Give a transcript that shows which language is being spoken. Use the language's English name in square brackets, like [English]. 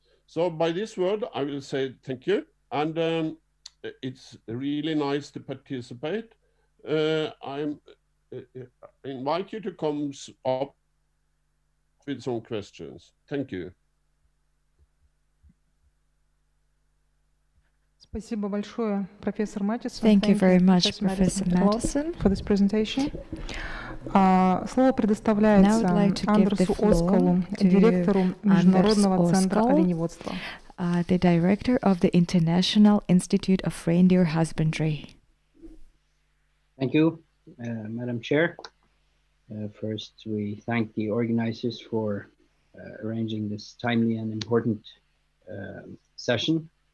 [English] So by this word, I will say thank you. And it's really nice to participate. I invite you to come up with some questions. Thank you. [Russian] Спасибо большое, профессор Матисон. [English] Thank you very much, Professor Madison, for this presentation. [Russian] Слово предоставляется Андерсу Оскалу, директору Международного центра оленеводства. [English] The director of the International Institute of Reindeer Husbandry. Thank you, Madam Chair. First, we thank the organizers for arranging this timely and important session.